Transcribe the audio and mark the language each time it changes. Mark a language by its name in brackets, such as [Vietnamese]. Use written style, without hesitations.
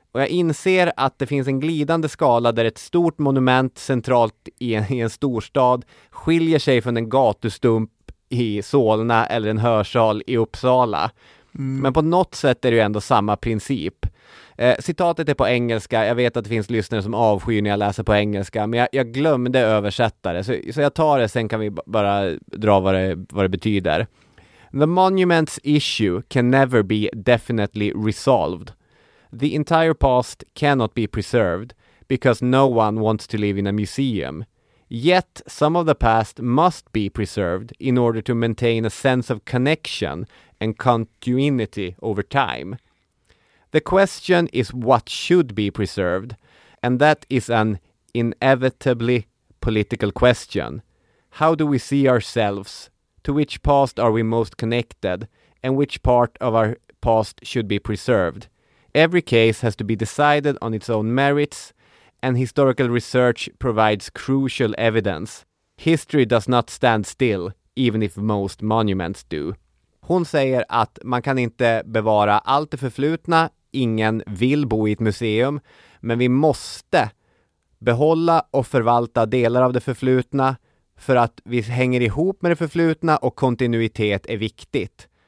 [Swedish] Och jag inser att det finns en glidande skala där ett stort monument centralt i en storstad skiljer sig från en gatustump i Solna eller en hörsal i Uppsala. Men på något sätt är det ju ändå samma princip. Citatet är på engelska. Jag vet att det finns lyssnare som avskyr när jag läser på engelska, men jag glömde översätta det. Så jag tar det, sen kan vi bara dra vad det betyder. [English] The monument's issue can never be definitely resolved. The entire past cannot be preserved because no one wants to live in a museum. Yet, some of the past must be preserved in order to maintain a sense of connection and continuity over time. The question is what should be preserved, and that is an inevitably political question. How do we see ourselves? To which past are we most connected? And which part of our past should be preserved? Every case has to be decided on its own merits, and historical research provides crucial evidence. History does not stand still, even if most monuments do. [Swedish] Hon säger att man kan inte bevara allt det förflutna, ingen vill bo i ett museum, men vi måste behålla och förvalta delar av det förflutna för att vi hänger ihop med det förflutna och kontinuitet är viktigt.